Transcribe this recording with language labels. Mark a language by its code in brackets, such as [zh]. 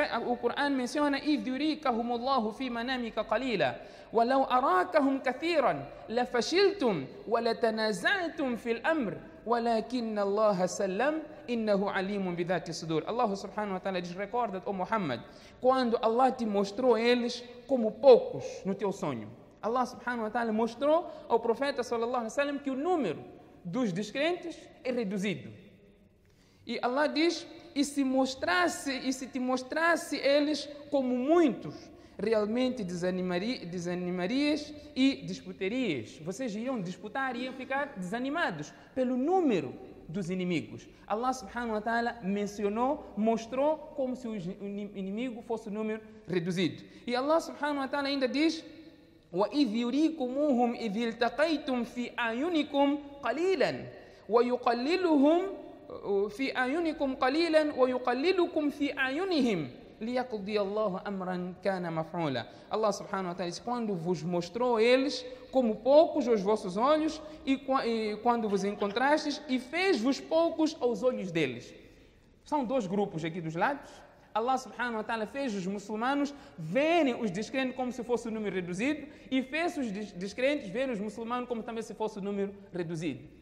[pt] O Coran menciona, [ar] إِذْ يُرِيكَهُمُ اللَّهُ فِي مَنَامِكَ قَلِيلًا وَلَوْ أَرَاكَهُمْ كَثِيرًا لَفَشِلْتُمْ وَلَتَنَازَعْتُمْ فِي الْأَمْرِ وَلَكِنَّ اللَّهَ سَلَّمْ إِنَّهُ عَلِيمٌ بِذَاتِ الصُّدُورِ. [pt] Allah subhanahu wa ta'ala diz, recorda-te, oh Muhammad, quando Allah te mostrou eles como poucos no teu sonho. Allah subhanahu wa ta'ala mostrou ao profeta sallallahu alaihi wasallam que o número dos descrentes é reduzido. E Allah diz, e se te mostrasse eles como muitos, realmente desanimarias e disputarias. Vocês iriam disputar e iam ficar desanimados pelo número dos inimigos. Allah subhanahu wa ta'ala mencionou, mostrou como se o inimigo fosse o número reduzido. E Allah subhanahu wa ta'ala ainda diz, [ar] وَإِذْ يُرِيكُمُهُمْ إِذْ إِلْتَقَيْتُمْ فِي أَعْيُنِكُمْ قَلِيلًا وَيُقَلِّلُهُمْ فِي أَعْيُنِكُمْ قَلِيلًا وَيُقَلِّلُكُمْ فِي أَعْيُنِهِمْ لِيَقْضِيَ اللَّهُ أَمْرًا كَانَ مَفْعُولًا. [pt] Allah subhanahu wa ta'ala diz, quando vos mostrou eles como poucos aos vossos olhos e quando vos encontrastes e fez-vos poucos aos olhos deles. São dois grupos aqui dos lados. Allah subhanahu wa ta'ala fez os muçulmanos verem os descrentes como se fosse o número reduzido e fez os descrentes verem os muçulmanos como também se fosse o número reduzido.